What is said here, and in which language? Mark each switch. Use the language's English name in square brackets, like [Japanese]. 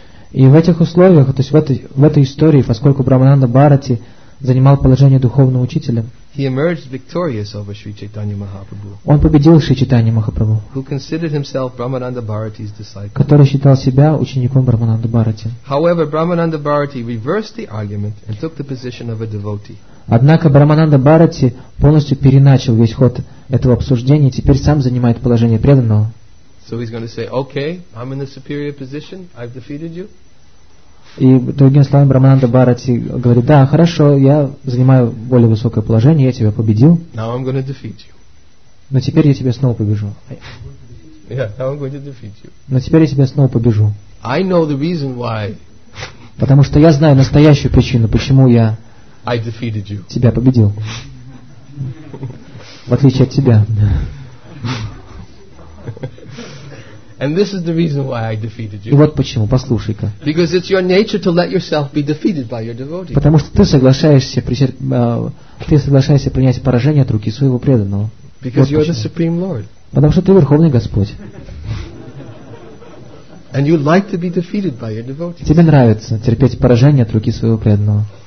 [Russian] И в этих условиях, то есть в этой истории, поскольку Брамананда Бхарати занимал положение духовного учителя, [English] he emerged victorious over Sri Chaitanya Mahaprabhu, [Russian] он победил Шри Чайтанья Махапрабху, [English] who considered himself Brahmananda Bharati's disciple, [Russian] который считал себя учеником Брамананда Бхарати. [English] However, Brahmananda Bharati reversed the argument and took the position of a devotee. [Russian] Однако Брамананда Бхарати полностью переначал весь ход этого обсуждения и теперь сам занимает положение преданного. [English] So he's going to say, okay, I'm in the superior position, I've defeated you. [Russian] И другим словом, Брамананда Бхарати говорит, да, хорошо, я занимаю более высокое положение, я тебя победил. [English] Now I'm going to defeat you. [Russian] Но теперь я тебя снова побежу. [English] Yeah, now I'm going to defeat you. [Russian] Но теперь я тебя снова побежу. [English] I know the reason why. [Russian] Потому что я знаю настоящую причину, почему я [English] I defeated you. [Russian] Тебя победил. В отличие от тебя. [English] And this is the reason why I defeated you. [Russian] И вот почему, послушай-ка. [English] Because it's your nature to let yourself be defeated by your devotee. [Russian] Потому что ты соглашаешься принять поражение от руки своего преданного. [English] Because you're [Russian] почему. [English] The supreme lord. [Russian] Потому что ты верховный господь. [English] And you like to be defeated by your devotee. [Russian] Тебе нравится терпеть поражение от руки своего преданного.